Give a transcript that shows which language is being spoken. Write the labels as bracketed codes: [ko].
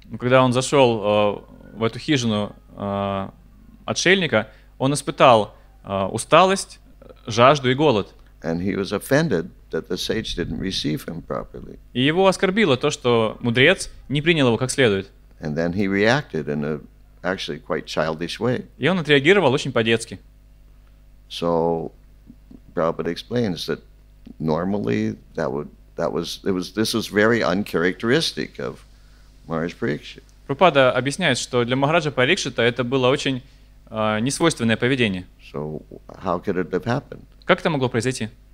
[ru] Когда он зашел в эту хижину отшельника, он испытал усталость, жажду и голод. [en] And he was offended that the sage didn't receive him properly. [ru] И его оскорбило то, что мудрец не принял его как следует. [en] And then he reacted in a actually quite childish way. [ru] И он отреагировал очень по-детски. [en] So Prabhupada explains that normally this was very uncharacteristic of Maharaj Parikshit. [ru] Прабхупада объясняет, что для Махараджа Парикшита это было очень несвойственное поведение. [en] So how could it have happened? [ru] Как это могло произойти?